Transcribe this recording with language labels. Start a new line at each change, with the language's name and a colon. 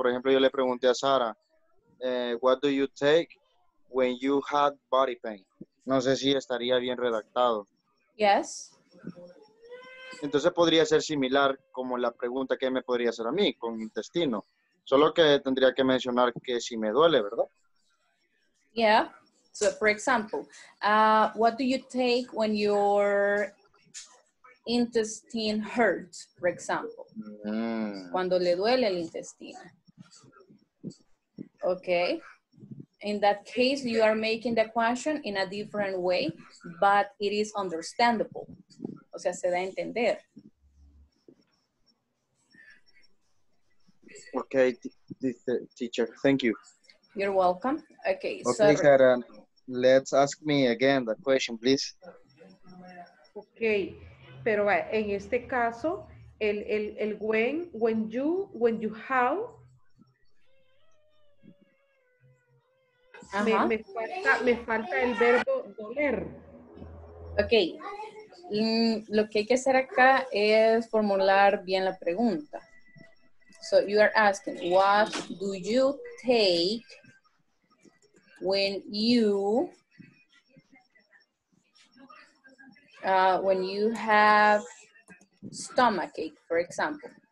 Spanish: Por ejemplo, yo le pregunté a Sara,
English: what do you take when you had body pain?
Spanish: No sé si estaría bien redactado.
English: Yes.
Spanish: Entonces podría ser similar como la pregunta que me podría hacer a mí con intestino. Solo que tendría que mencionar que si me duele, ¿verdad?
English: Yeah. So, for example, what do you take when your intestine hurts, for example?
Spanish: Cuando le duele el intestino.
English: Okay. In that case, you are making the question in a different way, but it is understandable.
Spanish: O sea, se da a entender.
English: Okay, teacher, thank you. You're welcome. Okay, so. Okay, Sarah, let's ask me again the question, please.
Spanish: Okay, pero en este caso, el
English: when you have.
Spanish: Me falta el verbo doler. Ok. Lo que hay que hacer acá es formular bien la pregunta.
English: So you are asking, what do you take when you have stomachache, for example?